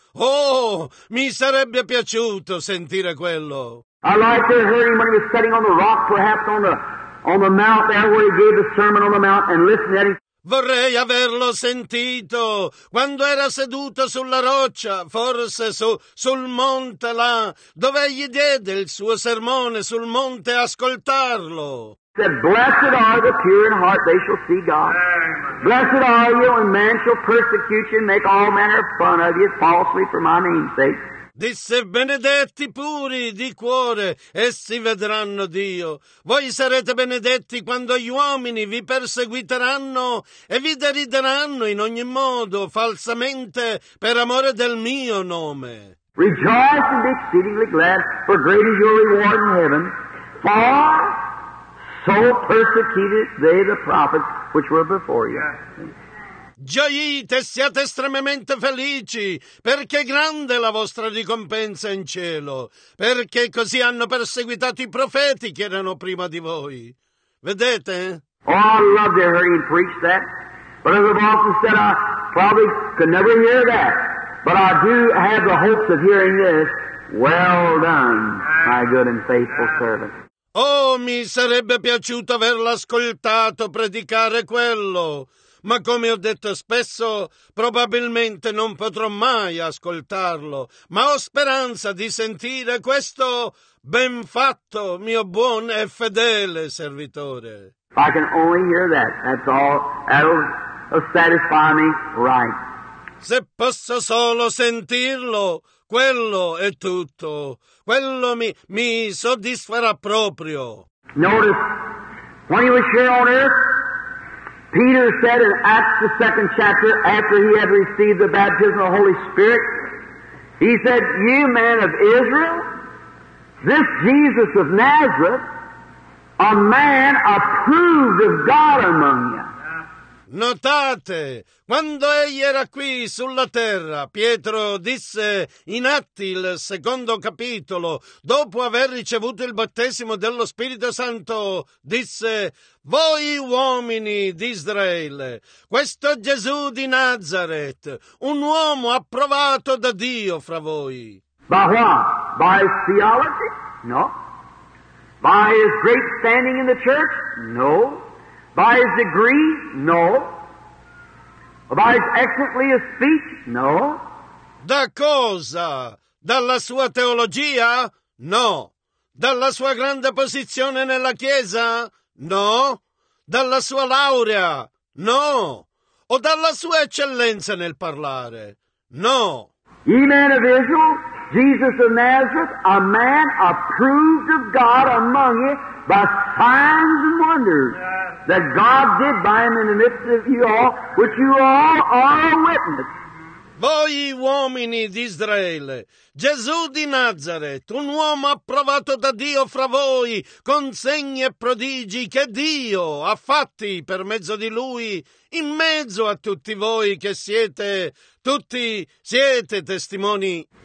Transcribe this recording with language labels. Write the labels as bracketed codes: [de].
[it] Oh, mi sarebbe piaciuto sentire quello. [en] I like to hear him when he was sitting on the rock, perhaps on the mount there where he gave the sermon on the mount, and listen at him. [it] Vorrei averlo sentito quando era seduto sulla roccia, forse sul monte là, dove gli diede il suo sermone sul monte, ascoltarlo. [en] Said, blessed are the pure in heart, they shall see God. Blessed are you when men shall persecute you and make all manner of fun of you falsely for my name's sake. [it] Disse, benedetti puri di cuore, essi vedranno Dio. Voi sarete benedetti quando gli uomini vi perseguiteranno e vi derideranno in ogni modo, falsamente, per amore del mio nome. [en] Rejoice and be exceedingly glad, for great is your reward in heaven. For so persecuted they the prophets which were before you. [it] Gioite e siate estremamente felici, perché grande è la vostra ricompensa in cielo, perché così hanno perseguitato i profeti che erano prima di voi. Vedete? [en] Oh, I love to hear him preach that. But as I've often said, I probably could never hear that. But I do have the hopes of hearing this. Well done, my good and faithful servant. [it] Oh, mi sarebbe piaciuto averlo ascoltato predicare quello. Ma come ho detto spesso, probabilmente non potrò mai ascoltarlo, ma ho speranza di sentire questo ben fatto, mio buon e fedele servitore. [en] If I can only hear that, that's all, that'll satisfy me right. [it] Se posso solo sentirlo, quello è tutto. Quello mi soddisferà proprio. [en] Notice, when he was here on earth, Peter said in Acts the second chapter, after he had received the baptism of the Holy Spirit, he said, "You men of Israel, this Jesus of Nazareth, a man approved of God among you." [it] Notate, quando egli era qui sulla terra, Pietro disse in Atti il secondo capitolo, dopo aver ricevuto il battesimo dello Spirito Santo, disse: «Voi uomini di Israele, questo Gesù di Nazareth, un uomo approvato da Dio fra voi». [en] By what? By his theology? No. By his great standing in the church? No. By his degree? No. By his excellently his speech? No. [it] Da cosa? Dalla sua teologia? No. Dalla sua grande posizione nella Chiesa? No. Dalla sua laurea? No. O dalla sua eccellenza nel parlare? No. [en] Ye men of Israel, Jesus of Nazareth, a man approved of God among you by signs and wonders that God did by him in the midst of you all, which you all are witness. [it] Voi uomini di Israele, Gesù di Nazareth, un uomo approvato da Dio fra voi, con segni e prodigi che Dio ha fatti per mezzo di lui, in mezzo a tutti voi che siete, tutti siete testimoni.